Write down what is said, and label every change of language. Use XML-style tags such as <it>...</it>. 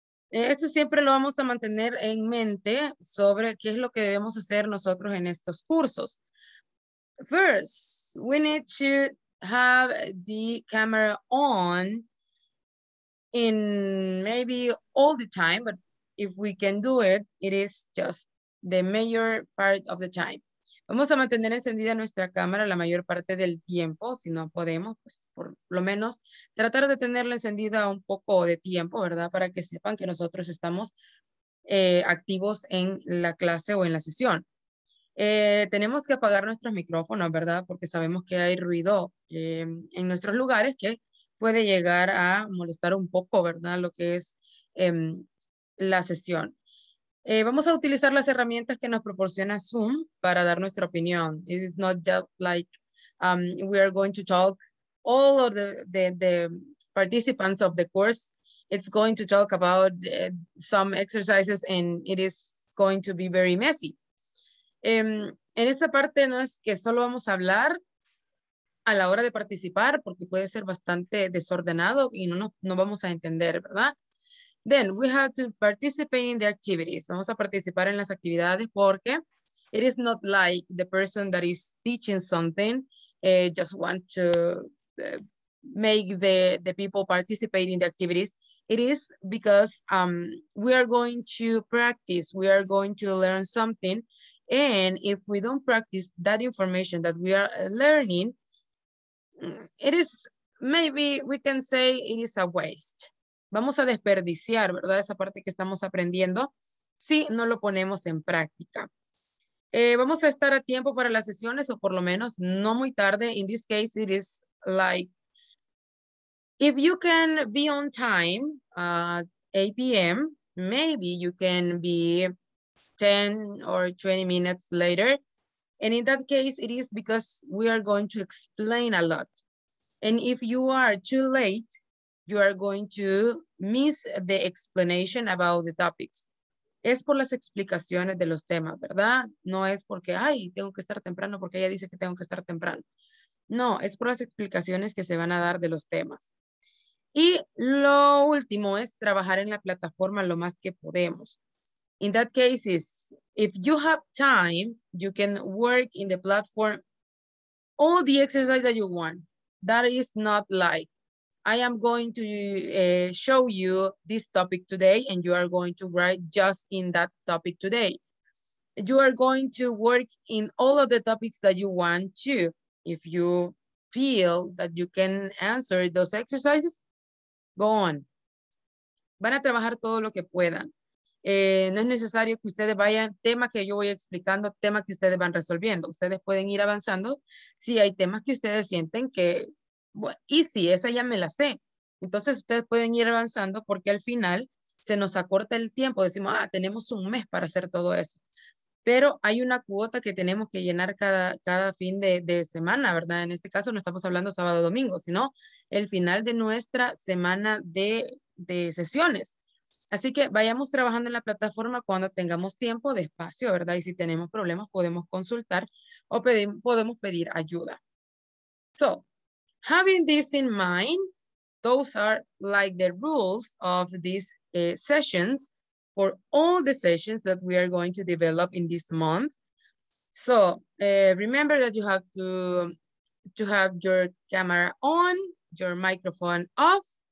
<es>Esto siempre lo vamos a mantener en mente sobre qué es lo que debemos hacer nosotros en estos cursos.</es> <en>First, we need to have the camera on in maybe all the time, but if we can do it, it is just the major part of the time.</en> <es>Vamos a mantener encendida nuestra cámara la mayor parte del tiempo. Si no podemos, pues por lo menos tratar de tenerla encendida un poco de tiempo, ¿verdad? Para que sepan que nosotros estamos activos en la clase o en la sesión. Tenemos que apagar nuestros micrófonos, ¿verdad? Porque sabemos que hay ruido en nuestros lugares que puede llegar a molestar un poco, ¿verdad? Lo que es la sesión. Vamos a utilizar las herramientas que nos proporciona Zoom para dar nuestra opinión.</es> <en>It's not just like we are going to talk all of the participants of the course. It's going to talk about some exercises and it is going to be very messy.</en> <es>En esta parte no es que solo vamos a hablar a la hora de participar porque puede ser bastante desordenado y no vamos a entender, ¿verdad?</es> <en>Then we have to participate in the activities.</en> <es>Vamos a participar en las actividades porque</es> <en>it is not like the person that is teaching something just want to make the people participate in the activities. It is because we are going to practice, we are going to learn something. And if we don't practice that information that we are learning, it is maybe we can say it is a waste.</en> <es>Vamos a desperdiciar, ¿verdad? Esa parte que estamos aprendiendo si no lo ponemos en práctica. Vamos a estar a tiempo para las sesiones o por lo menos no muy tarde.</es> <en>In this case, it is like, if you can be on time at 8 p.m., maybe you can be 10 or 20 minutes later. And in that case, it is because we are going to explain a lot. And if you are too late, you are going to miss the explanation about the topics.</en> <es>Es por las explicaciones de los temas, ¿verdad? No es porque, ay, tengo que estar temprano porque ella dice que tengo que estar temprano. No, es por las explicaciones que se van a dar de los temas. Y lo último es trabajar en la plataforma lo más que podemos.</es> <en>In that case, if you have time, you can work in the platform all the exercise that you want. That is not like, I am going to show you this topic today and you are going to write just in that topic today. You are going to work in all of the topics that you want to. If you feel that you can answer those exercises, go on.</en> <es>Van a trabajar todo lo que puedan. No es necesario que ustedes vayan, tema que yo voy explicando, tema que ustedes van resolviendo. Ustedes pueden ir avanzando si hay temas que ustedes sienten que easy, esa ya me la sé. Entonces ustedes pueden ir avanzando porque al final se nos acorta el tiempo. Decimos, ah, tenemos un mes para hacer todo eso. Pero hay una cuota que tenemos que llenar cada fin de semana, ¿verdad? En este caso no estamos hablando sábado o domingo, sino el final de nuestra semana de sesiones. Así que vayamos trabajando en la plataforma cuando tengamos tiempo, despacio, ¿verdad? Y si tenemos problemas podemos consultar o podemos pedir ayuda.</es> <en>So, having this in mind, those are like the rules of these sessions for all the sessions that we are going to develop in this month. So remember that you have to have your camera on, your microphone off.</en>